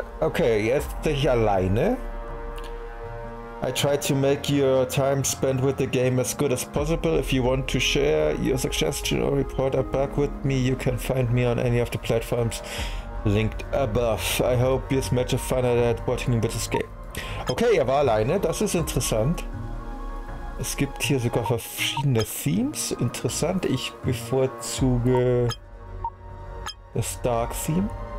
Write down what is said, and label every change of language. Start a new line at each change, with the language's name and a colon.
German: Okay, er ist tatsächlich alleine.
English: I try to make your time spent with the game as good as possible. If you want to share your suggestion or report a bug with me, you can find me on any of the platforms linked above. I hope you as much of fun at watching with this game.
German: Okay, er war alleine, das ist interessant. Es gibt hier sogar verschiedene Themes. Interessant, ich bevorzuge das Dark Theme.